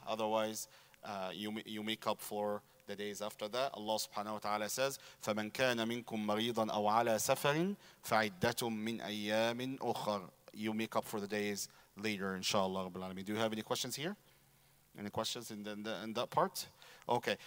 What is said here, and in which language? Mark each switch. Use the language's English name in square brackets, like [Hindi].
[English] Otherwise, you make up for the days after that. Allah subhanahu wa ta'ala says, [Arabic] فَمَنْ كَانَ مِنْكُمْ مَرِيضًا أَوْ عَلَى سَفَرٍ فَعِدَّةٌ مِنْ أَيَّامٍ أُخَرٍ. [English] You make up for the days later, inshallah. Rabbil Alameen. Do you have any questions here? Any questions in that part? Okay.